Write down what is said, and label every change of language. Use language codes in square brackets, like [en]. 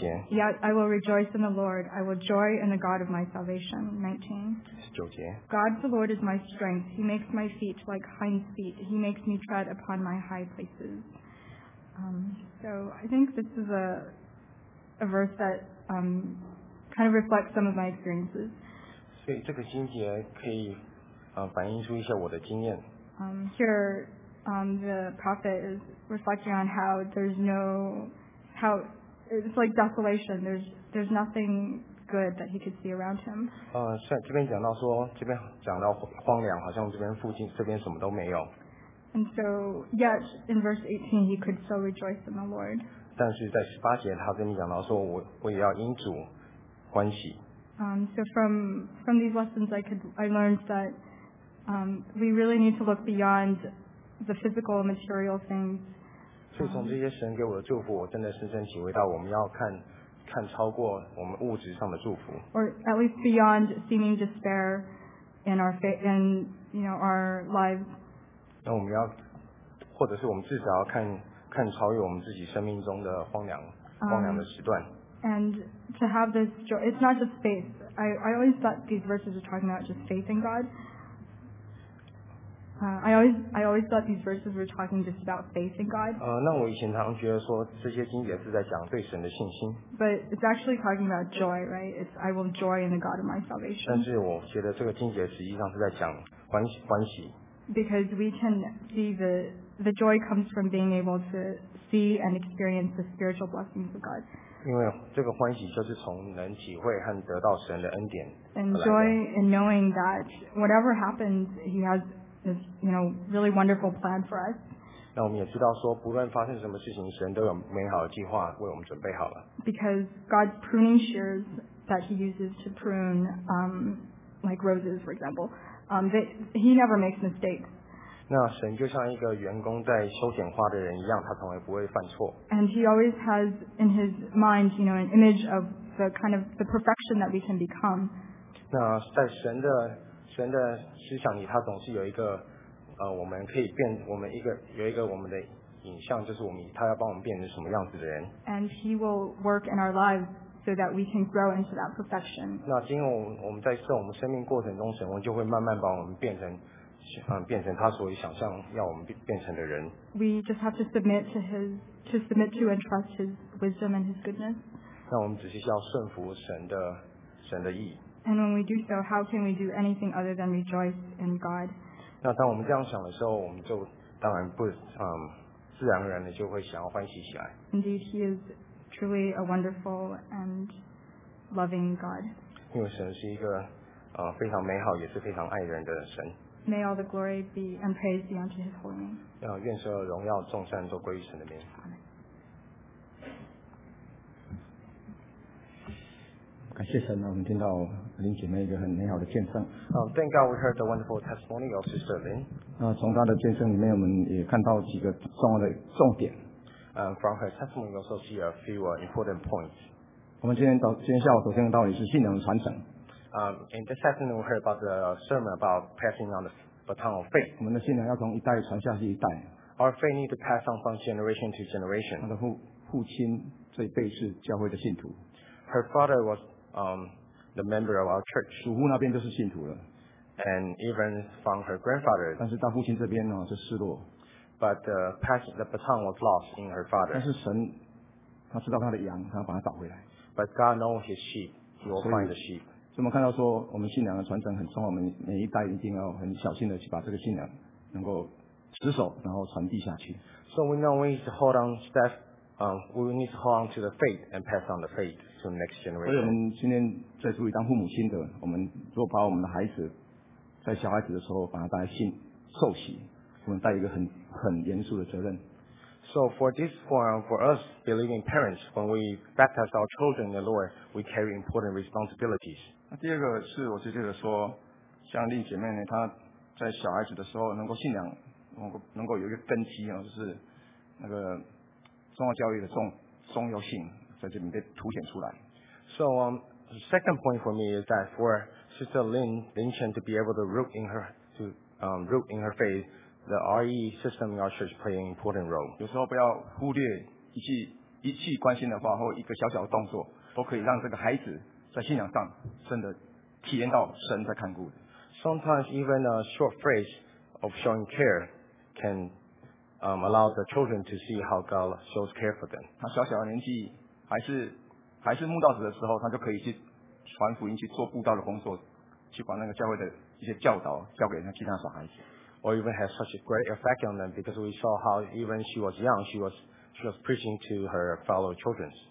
[en] Yet I will rejoice in the Lord, I will joy in the God of my salvation. 19. God the Lord is my strength, He makes my feet like hinds' feet, He makes me tread upon my high places. So I think this is a verse that. Kind of reflect some of my experiences. [zh] 所以这个经节可以反映出一些我的经验。 [en] Here, the prophet is reflecting on how there's no, how it's like desolation. There's nothing good that he could see around him. [zh] 这边讲到荒凉，好像这边附近这边什么都没有。 [en] And so, yet in verse 18, he could still rejoice in the Lord. [zh] 但是在十八节，他跟你讲到说，我也要因主欢喜。 [en] So from these lessons, I learned that we really need to look beyond the physical and material things. [zh] 就从这些神给我的祝福，我真的深深体会到，我们要看超过我们物质上的祝福。 [en] Or at least beyond seeming despair in our faith, in our lives. [zh] 那我们要，或者是我们至少要看超越我们自己生命中的荒凉的时段。 [en] And to have this joy, it's not just faith. I always thought these verses were talking about just faith in God. I always thought these verses were talking just about faith in God. [zh] 那我以前常觉得说这些经节是在讲对神的信心。 [en] But it's actually talking about joy, right? I will joy in the God of my salvation. [zh] 但是我觉得这个经节实际上是在讲欢喜。 [en] Because we can see the joy comes from being able to see and experience the spiritual blessings of God. [zh] 因为这个欢喜就是从能体会和得到神的恩典而来的。 [en] And joy in knowing that whatever happens, He has this really wonderful plan for us. [zh] 那我们也知道说，不论发生什么事情，神都有美好的计划为我们准备好了。 [en] Because God's pruning shears that He uses to prune, like roses, for example. He never makes mistakes. [zh] 那神就像一个员工在修剪花的人一样，他从来不会犯错。 [en] And he always has in his mind, an image of the kind of the perfection that we can become. [zh] 那在神的思想里，他总是有一个我们可以变我们一个有一个我们的影像，就是我们他要帮我们变成什么样子的人。 [en] And he will work in our lives. So that we can grow into that perfection. [zh] 那经过我们在受我们生命过程中，神就会慢慢把我们变成他所想象要我们变成的人。 [en] We just have to submit to and trust His wisdom and His goodness. [zh] 那我们只是需要顺服神的意。 [en] And when we do so, how can we do anything other than rejoice in God? [zh] 那当我们这样想的时候，我们就当然不自然而然的就会想要欢喜起来。 [en] Indeed, He is. Truly a wonderful and loving God. [zh] 因为神是一个非常美好也是非常爱人的神。 [en] May all the glory be and praise be unto His holy name. [zh] 愿所有荣耀颂赞都归于神的名。感谢神，我们听到林姐妹一个很美好的见证。 [en] Thank God we heard the wonderful testimony of Sister Lin. [zh] 从她的见证里面，我们也看到几个重要的重点。 [en] From her testimony, you also see a few important points. [zh] 我们今天下午所听的道理是信仰的传承。 [en] In this afternoon, we heard about the sermon about passing on the baton of faith. [zh] 我们的信仰要从一代传下去一代。 [en] Our faith needs to pass on from generation to generation. [zh] 她的父亲这一辈是教会的信徒。 [en] Her father was the member of our church. [zh] 祖父那边就是信徒了。 [en] And even from her grandfather. [zh] 但是到父亲这边呢，是失落。 [en] But the baton was lost in her father. [zh] 但是神，他知道他的羊，他要把它找回来。 [en] But God knows His sheep. He will find the sheep. [zh] 所以我们看到说，我们信仰的传承很重要，我们每一代一定要很小心的去把这个信仰能够持守，然后传递下去。 [en] So we know we need to hold on steadfast. We need to hold on to the faith and pass on the faith to the next generation. [zh] 所以我们今天在作为当父母亲的，我们如果把我们的孩子在小孩子的时候把他带来信受洗，我们带一个很严肃的责任。 [en] So for this form, for us believing parents, when we baptize our children in the Lord, we carry important responsibilities. [zh] 第二个是我是觉得说，像丽姐妹呢，她在小孩子的时候能够信仰，能够有一个根基啊，就是那个重要教育的重要性在这里面被凸显出来。 [en] So the second point for me is that for Sister Lin Chen to be able to root in her faith. The RE system in our church plays an important role. [zh] 有时候不要忽略一句关心的话或一个小小的动作，都可以让这个孩子在信仰上真的体验到神在看顾。 [en] Sometimes even a short phrase of showing care can allow the children to see how God shows care for them. [zh] 他小小的年纪还是慕道者的时候，他就可以去传福音，去做布道的工作，去把那个教会的一些教导交给其他小孩子。 [en] Or even has such a great effect on them because we saw how even she was young, she was preaching to her fellow children.